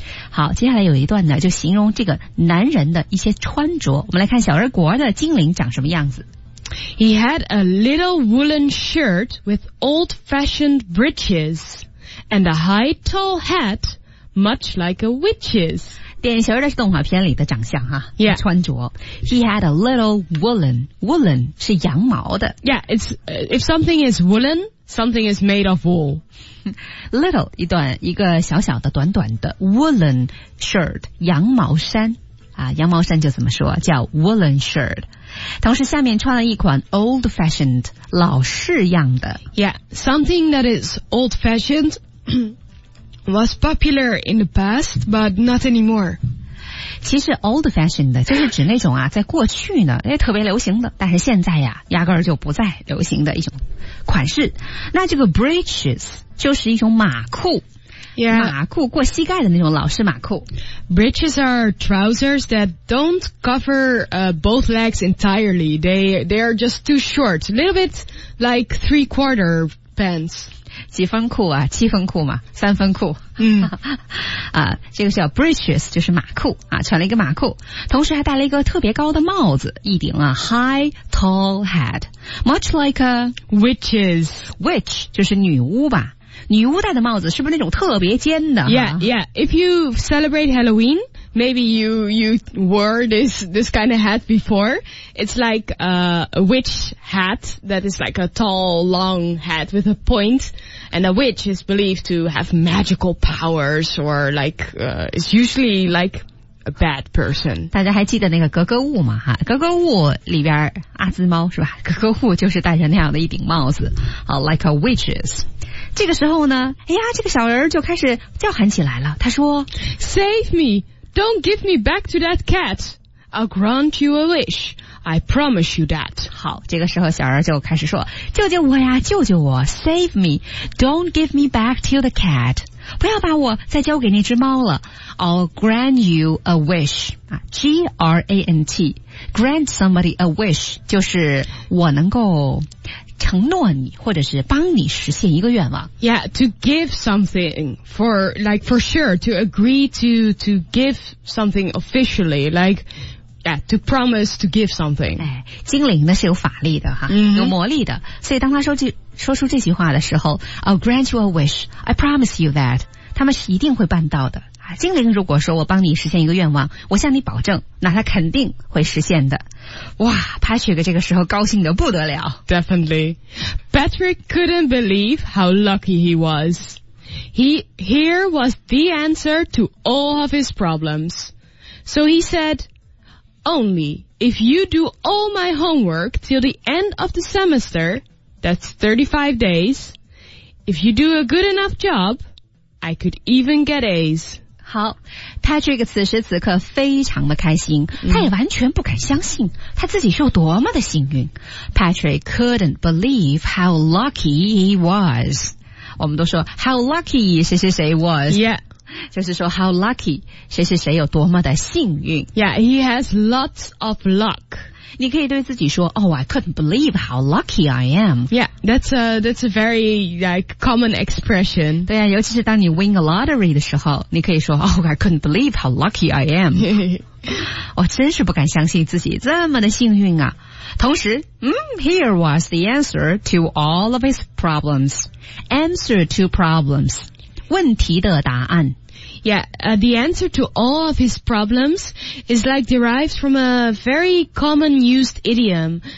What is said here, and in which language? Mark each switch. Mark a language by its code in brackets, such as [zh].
[zh] 好，接下来有一段呢，就形容这个男人的一些穿着。我们来看小人国的精灵长什么样子。 [en] He had a little woolen shirt with old-fashioned breeches and a high tall hat, much like a witch's. [zh] 典型的是动画片里的长相哈、 [en] 啊， yeah. [zh] 穿着。 [en] He had a little woolen. [zh] Woolen 是羊毛的。 [en] Yeah, it's if something is woolen, something is made of wool. [zh] Little 一段一个小小的短短的 [en] woolen shirt [zh] 羊毛衫啊，羊毛衫就怎么说叫 woolen shirt。同时下面穿了一款 [en] old fashioned, [zh] 老式样的。 [en] Yeah, something that is old fashioned was popular in the past, but not anymore. [zh] 其实 [en] old fashioned [zh] 的就是指那种啊在过去呢也特别流行的，但是现在呀压根儿就不再流行的一种款式。那这个 breeches 就是一种马裤、 [en] yeah. [zh] 马裤过膝盖的那种老式马裤。 [en] Breeches are trousers that don't cover、both legs entirely. They are just too short. A little bit like three quarter pants. [zh] 几分裤啊，七分裤嘛，三分裤。嗯，啊，这个叫 breeches， 就是马裤啊，穿了一个马裤，同时还戴了一个特别高的帽子，一顶啊 [en] high tall hat， much like a witches， [zh] witch 就是女巫吧？女巫戴的帽子是不是那种特别尖的 [en] ？Yeah, yeah. If you celebrate Halloween, maybe you wore this kind of hat before. It's like a witch hat that is like a tall, long hat with a point. And a witch is believed to have magical powers or like, it's usually like a bad person. [zh] 大家还记得那个格格巫吗？哈，格格巫里边阿兹猫是吧？格格巫就是戴着那样的一顶帽子，好 ， [en] like a witches. [zh] 这个时候呢，哎呀，这个小人就开始叫喊起来了。他说 [en] ：“Save me! Don't give me back to that cat. I'll grant you a wish. I promise you that.” [zh] 好，这个时候小人就开始说：“救救我呀，救救我 ！ [en] Save me! Don't give me back to the cat. [zh] 不要把我再交给那只猫了。 [en] I'll grant you a wish. G-R-A-N-T. Grant somebody a wish [zh] 就是我能够。” 承诺你或者是帮你实现一个愿望。 [en] Yeah, to give something for, like, for sure, to agree to give something officially, like, yeah, to promise to give something. [zh] 哎，精灵呢是有法力的哈、 mm-hmm. 有魔力的。所以当他说出这句话的时候 [en] I'll grant you a wish, I promise you that. [zh] 他们是一定会办到的。精灵如果说我帮你实现一个愿望，我向你保证，那他肯定会实现的。哇 ，Patrick 这个时候高兴得不得了。 [en] Definitely, Patrick couldn't believe how lucky he was. Here was the answer to all of his problems. So he said, "Only if you do all my homework till the end of the semester, that's 35 days. If you do a good enough job, I could even get A's." [zh] 好 ,Patrick 此时此刻非常的开心、他也完全不敢相信他自己是有多么的幸运。 [en] Patrick couldn't believe how lucky he was. [zh] 我们都说 [en] how lucky [zh] 谁谁谁 was. [en] Yeah. [zh] 就是说 [en] how lucky [zh] 谁谁谁有多么的幸运。 [en] Yeah, he has lots of luck. [zh] 你可以对自己说 [en] oh, I couldn't believe how lucky I am. Yeah, that's a very, like, common expression. [zh] 对啊，尤其是当你 [en] win a lottery [zh] 的时候，你可以说 [en] oh, I couldn't believe how lucky I am. [zh] 我真是不敢相信自己这么的幸运啊。同时 [en] here was the answer to all of his problems. Answer to problems. [zh] 问题的答案。 [en] Yeah, the answer to all of his problems is like derived from a very common used idiom.